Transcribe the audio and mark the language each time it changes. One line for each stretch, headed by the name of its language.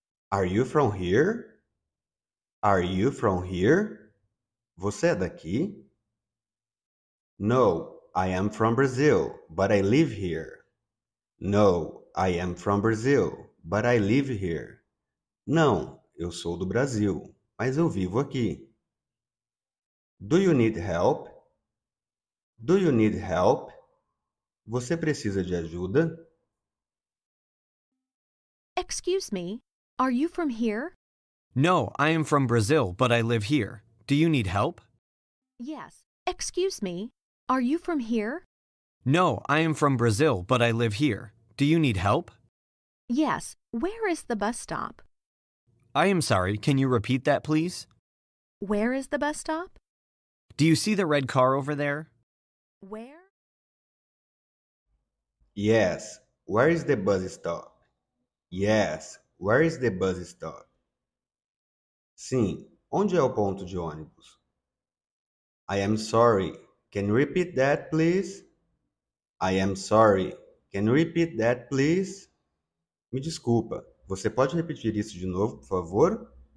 English: Are you from here? Are you from here?
Portuguese: Você é daqui?
English: No, I am from Brazil, but I live here. No, I am from Brazil, but I live here.
Portuguese: Não, eu sou do Brasil, mas eu vivo aqui.
English: Do you need help? Do you need help?
Portuguese: Você precisa de ajuda?
English: Excuse me, are you from here? No, I am from Brazil, but I live here. Do you need help? Yes. Excuse me, are you from here? No, I am from Brazil, but I live here. Do you need help? Yes. Where is the bus stop? I am sorry, can you repeat that, please? Where is the bus stop? Do you see the red car over there? Where? Yes, where is the bus stop? Yes, where is the bus stop?
Portuguese: Sim, onde é o ponto de ônibus?
English: I am sorry, can you repeat that, please? I am sorry, can you repeat that, please?
Portuguese: Me desculpa, você pode repetir isso de novo, por favor?